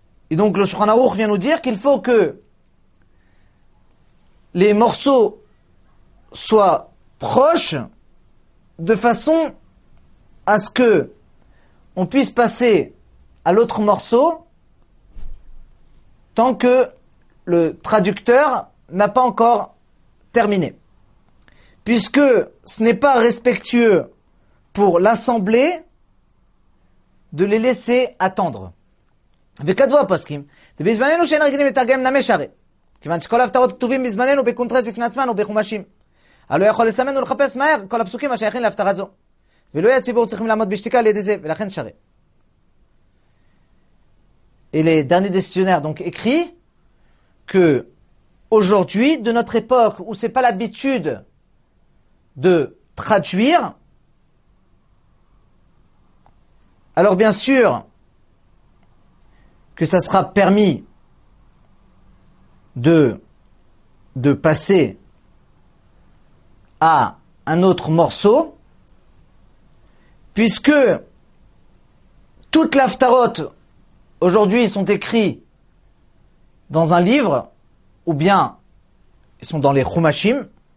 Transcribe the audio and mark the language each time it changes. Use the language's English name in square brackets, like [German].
[French] Et donc le Shulchan Aruch vient nous dire qu'il faut que les morceaux soient proches de façon à ce que on puisse passer à l'autre morceau tant que le traducteur n'a pas encore terminé. Puisque ce n'est pas respectueux pour l'assemblée de les laisser attendre. [Hebrew] וכתבו הפוסקים, ובזמננו שאין רגילים לתרגם נמי שערי, כיוון שכל ההפטרות כתובים בזמננו בקונטרס בפני עצמנו בחומשים. הלא יכול לסמן ולחפש מהר כל הפסוקים השייכים להפטרה זו. ולא יהיה ציבור צריכים לעמוד בשתיקה על ידי זה, ולכן שערי. [French] Et les derniers décisionnaires donc écrit que aujourd'hui, de notre époque où c'est pas l'habitude de traduire, alors bien sûr que ça sera permis de passer à un autre morceau, puisque toute l'Aftarot aujourd'hui sont écrits dans un livre, ou bien ils sont dans les Chumashim.